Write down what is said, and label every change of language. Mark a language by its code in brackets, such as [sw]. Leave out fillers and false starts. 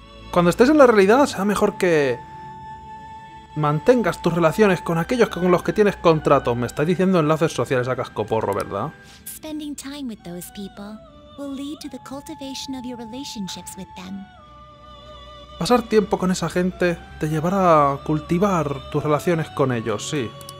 [es] Cuando estés en la realidad, será mejor que mantengas tus relaciones con aquellos con los que tienes contratos. Me estás diciendo enlaces sociales a cascoporro, ¿verdad? [en] Spending time with those people will lead to the cultivation of your relationships with them. [es] Pasar tiempo con esa gente te llevará a cultivar tus relaciones con ellos, sí.